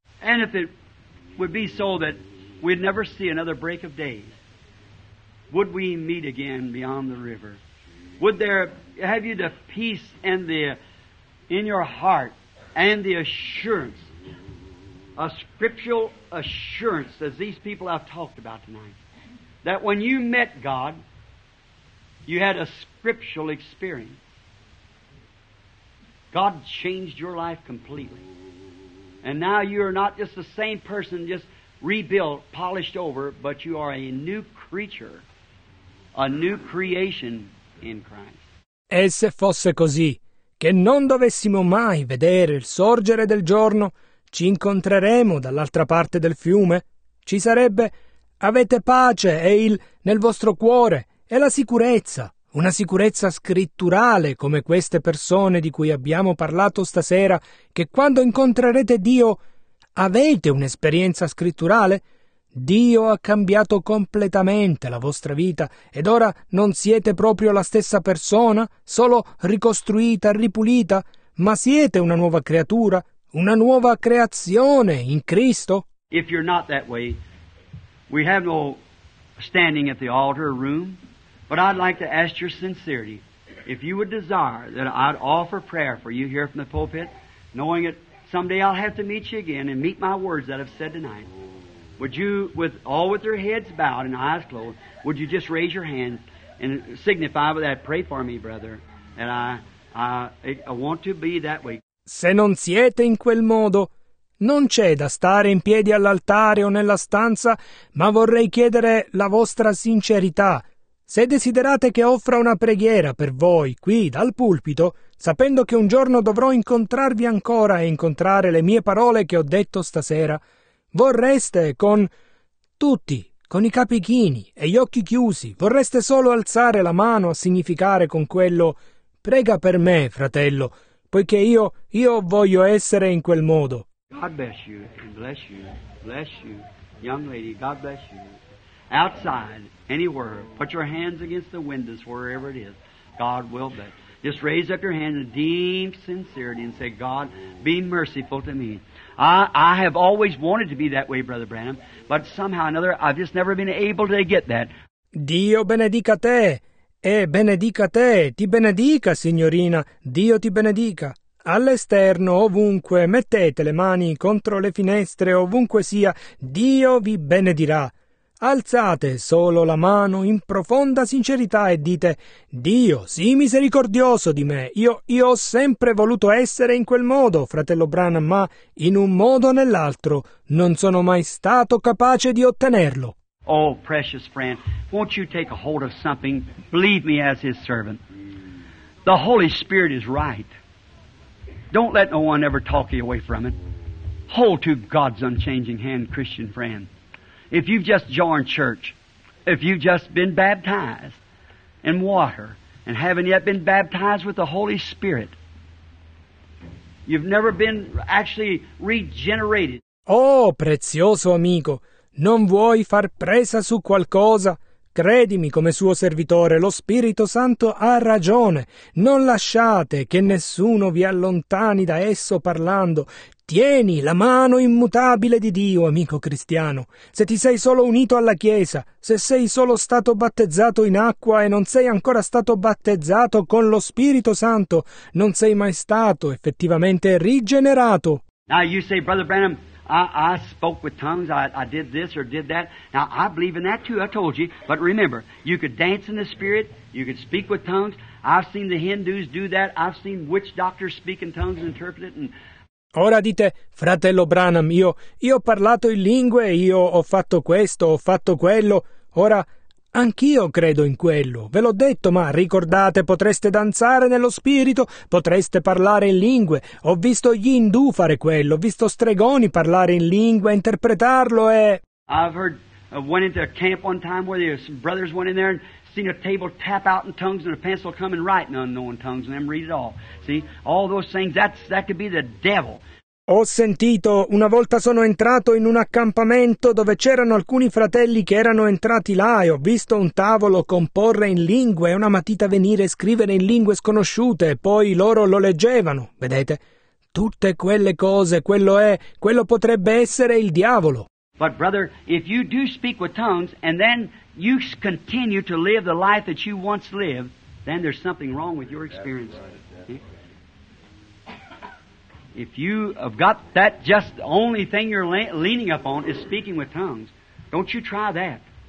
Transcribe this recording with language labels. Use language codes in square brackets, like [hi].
[en] And if it would be so that we'd never see another break of day, would we meet again beyond the river? Would there have you the peace and the in your heart and the assurance? A scriptural assurance, as these people I've talked about tonight, that when you met God, you had a scriptural experience. God changed your life completely. And now you are not just the same person, just rebuilt, polished over, but you are a new creature, a new creation in Christ. [it] E se fosse così, che non dovessimo mai vedere il sorgere del giorno, ci incontreremo dall'altra parte del fiume? Ci sarebbe, avete pace e il nel vostro cuore e la sicurezza, una sicurezza scritturale come queste persone di cui abbiamo parlato stasera, che quando incontrerete Dio avete un'esperienza scritturale? Dio ha cambiato completamente la vostra vita ed ora non siete proprio la stessa persona, solo ricostruita, ripulita, ma siete una nuova creatura. una nuova creazione in Cristo? [en] If you're not that way, we have no standing at the altar room, but I'd like to ask your sincerity. If you would desire that I'd offer prayer for you here from the pulpit, knowing that someday I'll have to meet you again and meet my words that I've said tonight, would you, with all with your heads bowed and eyes closed, would you just raise your hand and signify with that, pray for me, brother, and I want to be that way. [it] Se non siete in quel modo, non c'è da stare in piedi all'altare o nella stanza, ma vorrei chiedere la vostra sincerità. Se desiderate che offra una preghiera per voi, qui, dal pulpito, sapendo che un giorno dovrò incontrarvi ancora e incontrare le mie parole che ho detto stasera, vorreste con tutti, con i capi chini e gli occhi chiusi, vorreste solo alzare la mano a significare con quello «Prega per me, fratello, poiché io voglio essere in quel modo». [en] God bless you, and bless you, young lady, God bless you. Outside, anywhere, put your hands against the windows, wherever it is, God will bless. Just raise up your hand in deep sincerity and say, God, be merciful to me. I have always wanted to be that way, Brother Branham, but somehow or another, I've just never been able to get that. [it] Dio benedica te, e benedica te, ti benedica, signorina, Dio ti benedica. All'esterno, ovunque, mettete le mani contro le finestre, ovunque sia, Dio vi benedirà. Alzate solo la mano in profonda sincerità e dite, Dio, sii misericordioso di me, io ho sempre voluto essere in quel modo, fratello Branham, ma in un modo o nell'altro non sono mai stato capace di ottenerlo. [en] Oh, precious friend, won't you take a hold of something, believe me as his servant. The Holy Spirit is right. Don't let no one ever talk you away from it. Hold to God's unchanging hand, Christian friend. If you've just joined church, if you've just been baptized in water and haven't yet been baptized with the Holy Spirit, you've never been actually regenerated. [it] Oh, prezioso amico, non vuoi far presa su qualcosa? Credimi come suo servitore, lo Spirito Santo ha ragione. Non lasciate che nessuno vi allontani da esso parlando. Tieni la mano immutabile di Dio, amico cristiano. Se ti sei solo unito alla Chiesa, se sei solo stato battezzato in acqua e non sei ancora stato battezzato con lo Spirito Santo, non sei mai stato effettivamente rigenerato. [en] Now you say, Brother Branham, I spoke with tongues, I did this or did that. Now, I believe in that too, I told you. But remember, you could dance in the Spirit, you could speak with tongues. I've seen the Hindus do that, I've seen witch doctors speak in tongues and interpret it. And... [it] Ora dite, fratello Branham, io ho parlato in lingue, io ho fatto questo, ho fatto quello. Ora, anch'io credo in quello. Ve l'ho detto, ma ricordate, potreste danzare nello spirito, potreste parlare in lingue. Ho visto gli Hindu fare quello, ho visto stregoni parlare in lingue, interpretarlo e... [en] I've heard, went into a camp one time where there's some brothers went in there and seen a table tap out in tongues and a pencil come and write in unknown tongues and them read it all. See, all those things, that could be the devil. [it] Ho sentito, una volta sono entrato in un accampamento dove c'erano alcuni fratelli che erano entrati là e ho visto un tavolo comporre in lingue e una matita venire e scrivere in lingue sconosciute e poi loro lo leggevano, vedete? Tutte quelle cose, quello potrebbe essere il diavolo. [en] But brother, if you do speak with tongues and then you continue to live the life that you once lived, then there's something wrong with your experience. If you have got that, just the only thing you're leaning up on is speaking with tongues, don't you try that.